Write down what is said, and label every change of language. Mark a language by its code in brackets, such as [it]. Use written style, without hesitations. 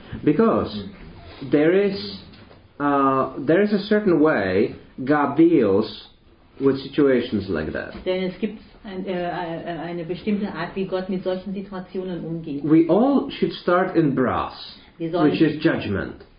[en] Because there is a certain way God deals with situations like that. [de] Denn es gibt eine bestimmte Art, wie Gott mit solchen Situationen umgeht. [en] We all should start in brass, which is judgment.